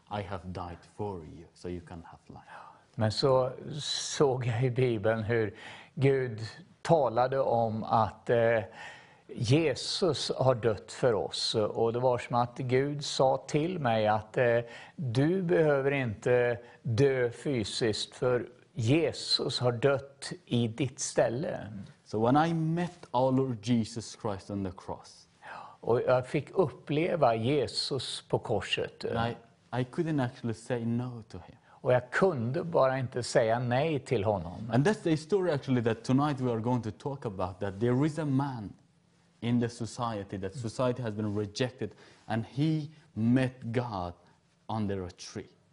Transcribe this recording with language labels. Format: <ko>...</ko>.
<en>I have died for you so you can have life.</en> <sv>Men så såg jag i Bibeln hur Gud talade om att Jesus har dött för oss. Och det var som att Gud sa till mig att du behöver inte dö fysiskt för Jesus har dött i ditt ställe.</sv> <en>So when I met our Lord Jesus Christ on the cross.</en> <sv>Och jag fick uppleva Jesus på korset.</sv> <en>I couldn't actually say no to him.</en> <sv>Och jag kunde bara inte säga nej till honom.</sv> <en>And that's the story actually that tonight we are going to talk about, that there is a man in the society that society has been rejected and he met God under a tree.</en>